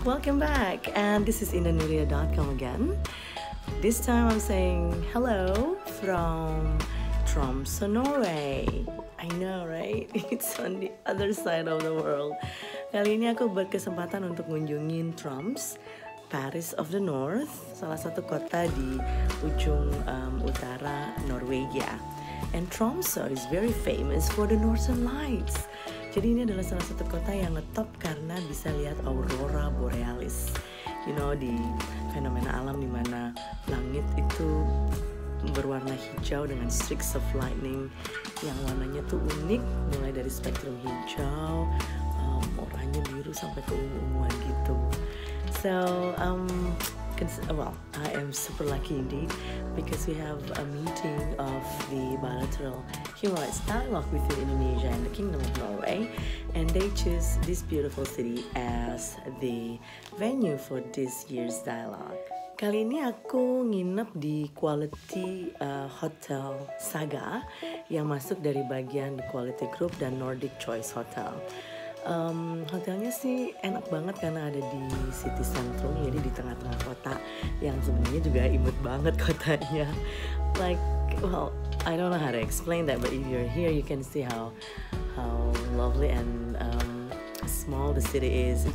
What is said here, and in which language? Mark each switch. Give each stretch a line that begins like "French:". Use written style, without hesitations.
English: This is indahnya.com again. This time I'm saying hello from Tromsø, Norway. I know, right? It's on the other side of the world.
Indonesian: Kali ini aku berkesempatan untuk mengunjungi Tromsø,
English: Paris of the North,
Indonesian: salah satu kota di ujung utara Norwegia.
English: And Tromsø is very famous for the Northern Lights.
Indonesian: Jadi ini adalah salah satu kota yang ngetop karena bisa lihat Aurorra Borealis.
English: You know,
Indonesian: di fenomena alam di mana langit itu berwarna hijau dengan
English: streaks of lightning
Indonesian: yang warnanya tuh unik, mulai dari spektrum hijau, oranye, biru sampai ke ungu-unguan gitu.
English: So, I am super lucky indeed because we have a meeting of the bilateral human rights dialogue between Indonesia and the Kingdom of Norway, and they choose this beautiful city as the venue for this year's dialogue.
Indonesian: Kali ini aku nginep di Quality Hotel Saga yang masuk dari bagian Quality Group dan Nordic Choice Hotel. Hotelnya sih enak banget karena ada di city centrum, jadi di tengah-tengah kota yang sebenarnya juga imut banget kotanya.
English: Like, well, I don't know how to explain that, but if you're here, you can see how lovely and small the city is.